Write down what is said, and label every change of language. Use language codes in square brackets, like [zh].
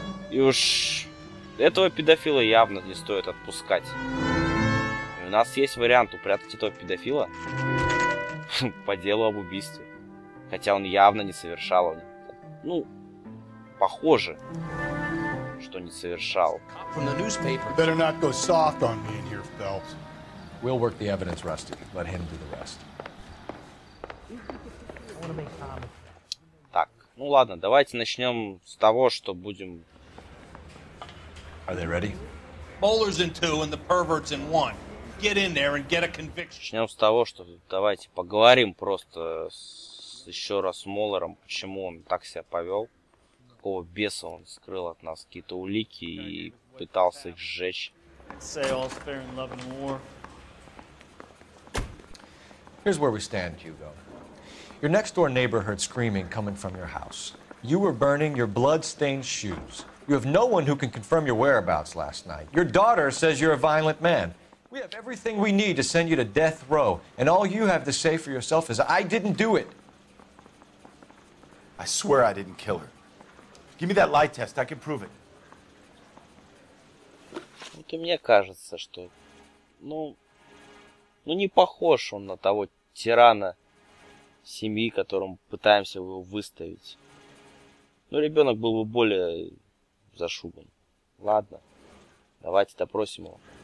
[ru] И уж этого педофила явно не стоит отпускать. И у нас есть вариант упрятать этого педофила по делу об убийстве. Хотя он явно не совершал. Ну, похоже, что не совершал. [en] Better not go soft on me in here, Phelps. We'll work the evidence, Rusty. Let him do the rest. [ru] Так, ну ладно, давайте начнем с того, что будем. [en] Are they ready? Bowlers in two and the perverts in one. Get in there and get a conviction. [ru] Начнем с того, что давайте поговорим просто еще раз с Моллером, почему он так себя повел. Какого беса он скрыл от нас какие-то улики и пытался их сжечь. [en] Here's where we stand, Hugo. Your next door neighbor heard screaming coming from your house. You were burning your blood-stained shoes. You have no one who can confirm your whereabouts last night. Your daughter says you're a violent man. We have everything we need to send you to death row, and all you have to say for yourself is, I didn't do it. I swear I didn't kill her. Give me that lie test, I can prove it. [ru] Вот и мне кажется, что, ну не похож он на того тирана семьи, которому пытаемся его выставить. Ну, ребенок был бы более зашубан. Ладно, давайте допросим его.